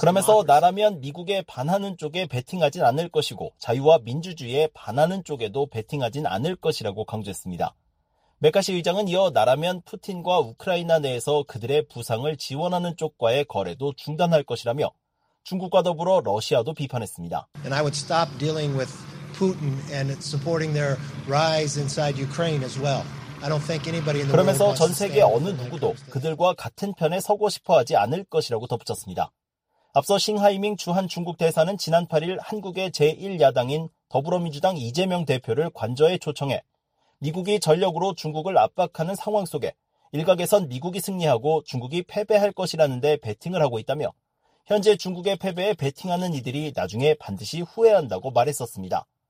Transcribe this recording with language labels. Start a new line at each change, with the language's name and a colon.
Korean: 그러면서 나라면 미국에 반하는 쪽에 베팅하진 않을 것이고 자유와 민주주의에 반하는 쪽에도 베팅하진 않을 것이라고 강조했습니다. 메카시 의장은 이어 나라면 푸틴과 우크라이나 내에서 그들의 부상을 지원하는 쪽과의 거래도 중단할 것이라며 중국과 더불어 러시아도 비판했습니다.
English: And I would stop dealing with Putin and supporting their rise inside Ukraine as well. I don't think anybody in the
Korean: 그러면서 전 세계 어느 누구도 그들과 같은 편에 서고 싶어 하지 않을 것이라고 덧붙였습니다. 앞서 싱하이밍 주한 중국 대사는 지난 8일 한국의 제1야당인 더불어민주당 이재명 대표를 관저에 초청해 미국이 전력으로 중국을 압박하는 상황 속에 일각에선 미국이 승리하고 중국이 패배할 것이라는 데 베팅을 하고 있다며 현재 중국의 패배에 베팅하는 이들이 나중에 반드시 후회한다고 말했었습니다.